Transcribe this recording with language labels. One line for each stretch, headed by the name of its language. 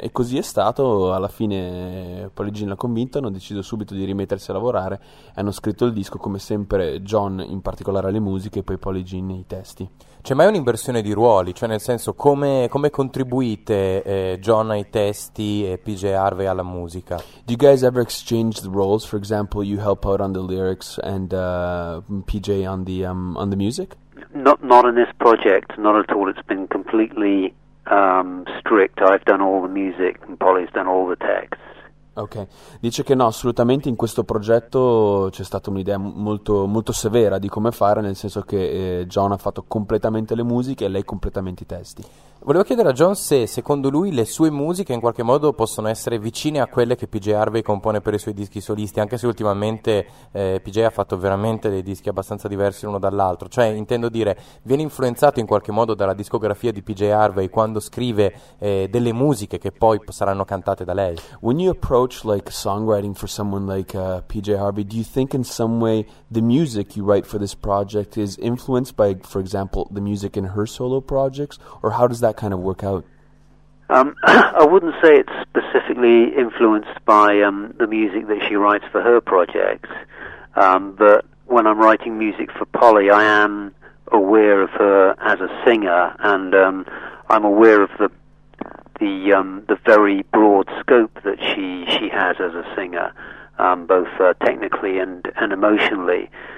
Italian: E così è stato. Alla fine Polly Jean l'ha convinto, hanno deciso subito di rimettersi a lavorare, hanno scritto il disco, come sempre John in particolare alle musiche, poi Polly Jean nei testi. C'è mai un'inversione di ruoli? Cioè, nel senso, come contribuite John ai testi e PJ Harvey alla musica?
English: Do you guys ever exchange the roles? For example, you help out on the lyrics and PJ on the music? Not in this project, not at all. It's been completely strict. I've done all the music and Polly's done all the text.
Italian: Ok, dice che no, assolutamente in questo progetto c'è stata un'idea molto, molto severa di come fare, nel senso che John ha fatto completamente le musiche e lei completamente i testi. Volevo chiedere a John se, secondo lui, le sue musiche in qualche modo possono essere vicine a quelle che PJ Harvey compone per i suoi dischi solisti, anche se ultimamente PJ ha fatto veramente dei dischi abbastanza diversi l'uno dall'altro. Cioè, intendo dire, viene influenzato in qualche modo dalla discografia di PJ Harvey quando scrive delle musiche che poi saranno cantate da lei?
English: When you approach like songwriting for someone like PJ Harvey, do you think in some way the music you write for this project is influenced by, for example, the music in her solo projects, or how does that kind of work out? I wouldn't say it's specifically influenced by the music that she writes for her projects, but when I'm writing music for Polly, I am aware of her as a singer, and I'm aware of the very broad scope that she has as a singer, both technically and emotionally.